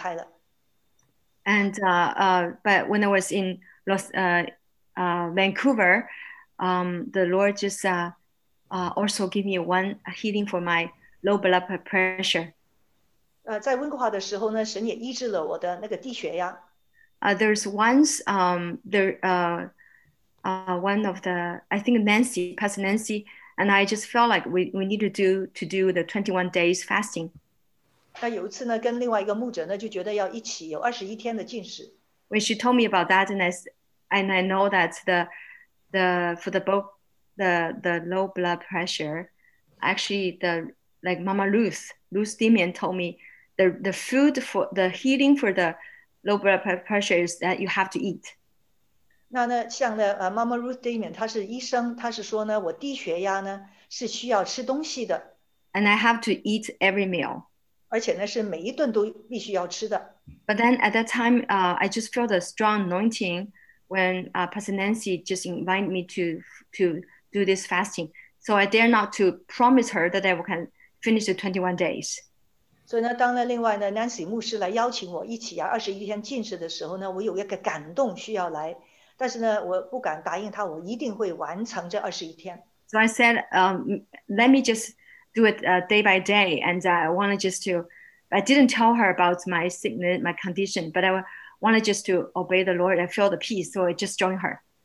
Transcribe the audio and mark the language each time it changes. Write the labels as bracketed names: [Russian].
[Chinese] 虽然没人教导我关于医治，但是我爱敬拜。当敬拜的时候，所有这些的毛病、疾病就全部离开了。And [English] but when I was in Vancouver, the Lord just also gave me one healing for my low blood pressure. [Chinese] 在温哥华的时候呢，神也医治了我的那个低血压。 [English] There's once one of the I think Nancy, Pastor Nancy, and I just felt like we need to do the 21 days fasting. [Chinese] 那有一次呢，跟另外一个牧者呢，就觉得要一起有21天的禁食。 [English] When she told me about that, and I know that the low blood pressure, actually the like Mama Ruth Demian told me the food for the healing for the low blood pressure is that you have to eat. [Chinese] 那呢，像呢， Mama Ruth Demian， 她是医生，她是说呢，我低血压呢是需要吃东西的。And [English] I have to eat every meal. [Chinese] 而且呢，是每一顿都必须要吃的。But [English] then at that time, I just felt a strong anointing when Pastor Nancy just invited me to do this fasting. So I dare not to promise her that I can finish the 21 days. [Chinese] 所以呢，当呢，另外呢， Nancy 牧师来邀请我一起啊，21天禁食的时候呢，我有一个感动需要来。但是呢，我不敢答应他，我一定会完成这21天。 [English] So I said, let me just do it day by day, and I wanted just to, I didn't tell her about my sickness, my condition, but I wanted just to obey the Lord and feel the peace, so I just joined her.